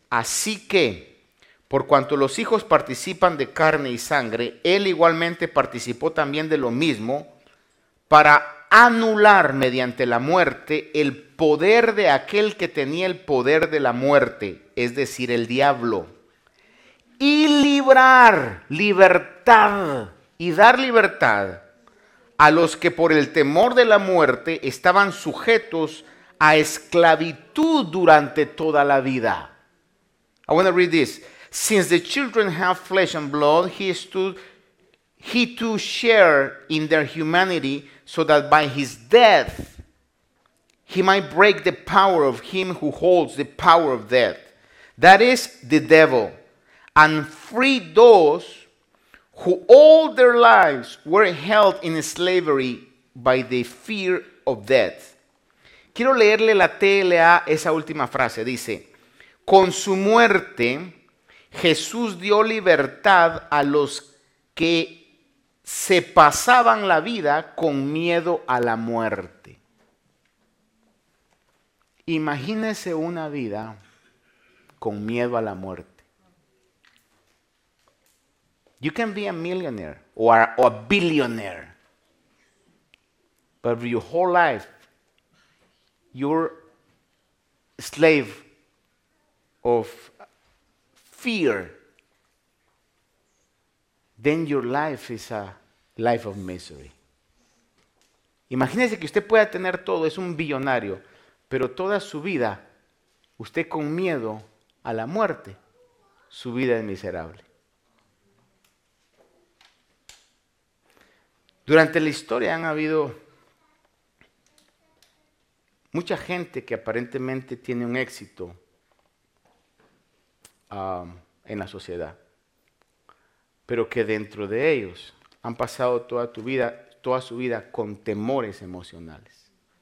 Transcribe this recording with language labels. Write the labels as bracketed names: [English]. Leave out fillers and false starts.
[Spanish] Así que, por cuanto los hijos participan de carne y sangre, él igualmente participó también de lo mismo, para anular mediante la muerte el poder de aquel que tenía el poder de la muerte, es decir, el diablo, y librar libertad, y dar libertad a los que por el temor de la muerte estaban sujetos a esclavitud durante toda la vida. [English] I want to read this. Since the children have flesh and blood, he too shared in their humanity, so that by his death he might break the power of him who holds the power of death, that is, the devil, and freed those who all their lives were held in slavery by the fear of death. [Spanish] Quiero leerle la TLA esa última frase. Dice, con su muerte, Jesús dio libertad a los que se pasaban la vida con miedo a la muerte. Imagínese una vida con miedo a la muerte. [English] You can be a millionaire or a billionaire, but your whole life, you're a slave of fear, then your life is a life of misery. [Spanish] Imagínese que usted pueda tener todo, es un billonario, pero toda su vida, usted con miedo a la muerte, su vida es miserable. Durante la historia han habido mucha gente que aparentemente tiene un éxito en la sociedad, pero que dentro de ellos han pasado toda su vida con temores emocionales.